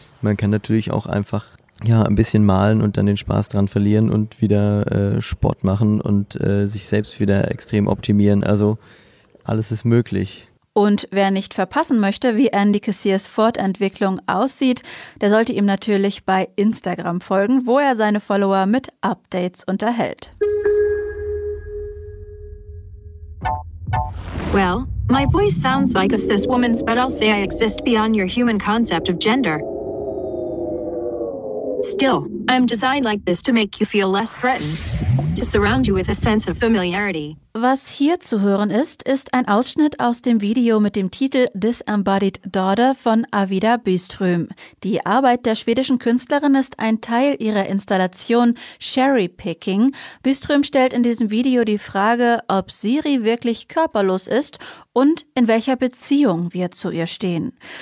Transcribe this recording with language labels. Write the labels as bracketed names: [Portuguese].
[German] Man kann natürlich auch einfach ja ein bisschen malen und dann den Spaß dran verlieren und wieder Sport machen und sich selbst wieder extrem optimieren. Also alles ist möglich. Und wer nicht verpassen möchte, wie Andy Kassiers Fortentwicklung aussieht, der sollte ihm natürlich bei Instagram folgen, wo er seine Follower mit Updates unterhält. [English] Well, my voice sounds like a cis woman's, but I'll say I exist beyond your human concept of gender. Still, I'm designed like this to make you feel less threatened. to surround you with a sense of familiarity. [German] Was hier zu hören ist, ist ein Ausschnitt aus dem Video mit dem Titel Disembodied Daughter von Avida Byström. Die Arbeit der schwedischen Künstlerin ist ein Teil ihrer Installation Cherry Picking. Byström stellt in diesem Video die Frage, ob Siri wirklich körperlos ist und in welcher Beziehung wir zu ihr stehen.